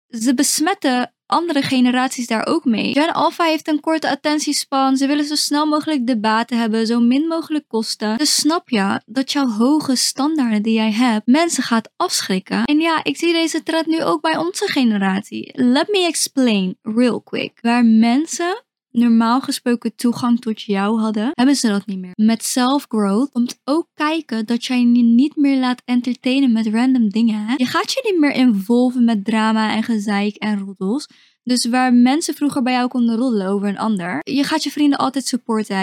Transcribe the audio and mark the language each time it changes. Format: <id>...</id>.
<nl>Ze besmetten andere generaties daar ook mee. Gen Alpha heeft een korte attentiespan. Ze willen zo snel mogelijk de baten hebben, zo min mogelijk kosten. Dus snap je dat jouw hoge standaarden die jij hebt mensen gaat afschrikken? En ja, ik zie deze trend nu ook bij onze generatie.</nl> <en>Let me explain real quick.</en> <nl>Waar mensen normaal gesproken toegang tot jou hadden, hebben ze dat niet meer. Met self-growth komt ook kijken dat jij je niet meer laat entertainen met random dingen. Hè? Je gaat je niet meer involven met drama en gezeik en roddels. Dus waar mensen vroeger bij jou konden roddelen over een ander, je gaat je vrienden altijd supporten. Hè?</nl>